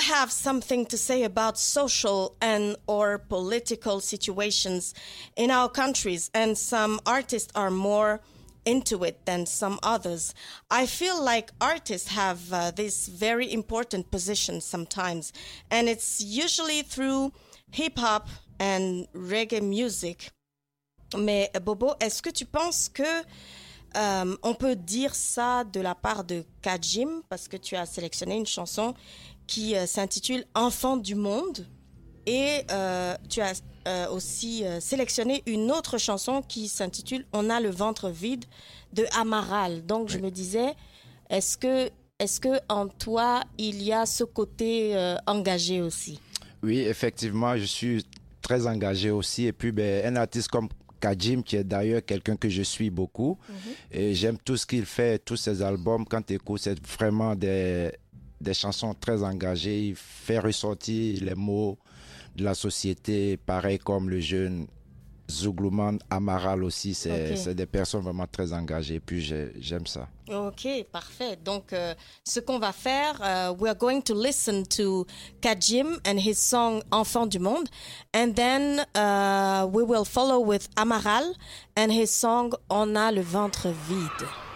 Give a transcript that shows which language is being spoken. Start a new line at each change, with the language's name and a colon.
English: Something to say about social and or political situations in our countries, and some artists are more into it than some others. I feel like artists have this very important position sometimes, and it's usually through hip-hop and reggae music.
French: Mais Bobo, est-ce que tu penses que on peut dire ça de la part de Kajim, parce que tu as sélectionné une chanson qui s'intitule « Enfant du monde » et tu as aussi sélectionné une autre chanson qui s'intitule « On a le ventre vide » de Amaral. Donc oui. Je me disais, est-ce que en toi il y a ce côté engagé aussi? Oui, effectivement, je suis très engagé aussi. Et puis ben, un artiste comme Kajim, qui est d'ailleurs quelqu'un que je suis beaucoup, et j'aime tout ce qu'il fait, tous ses albums, quand tu écoutes, c'est vraiment des chansons très engagées, il fait ressortir les mots de la société, pareil comme le jeune Zuglouman Amaral aussi, c'est des personnes vraiment très engagées, puis j'aime ça. Ok, parfait. Donc, ce qu'on va faire,
English: we are going to listen to Kajim and his song Enfant du Monde, and then we will follow with Amaral and his song On a le ventre vide.